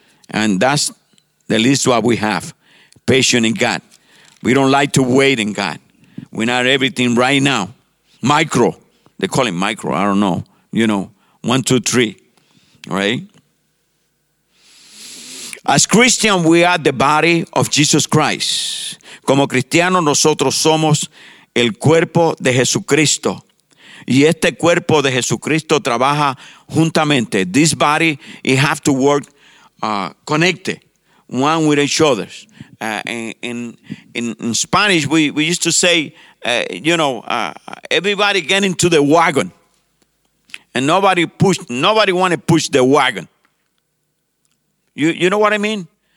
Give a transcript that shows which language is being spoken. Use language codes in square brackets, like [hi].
[en] And that's the least what we have, patience in God. We don't like to wait in God. We need everything right now. Micro, they call it micro, I don't know. You know, 1, 2, 3, right? As Christian, we are the body of Jesus Christ. [es] Como cristiano, nosotros somos el cuerpo de Jesucristo. Y este cuerpo de Jesucristo trabaja juntamente. [en] This body, it have to work connected, one with each other. In Spanish, we used to say, everybody get into the wagon, and nobody want to push the wagon. You know what I mean?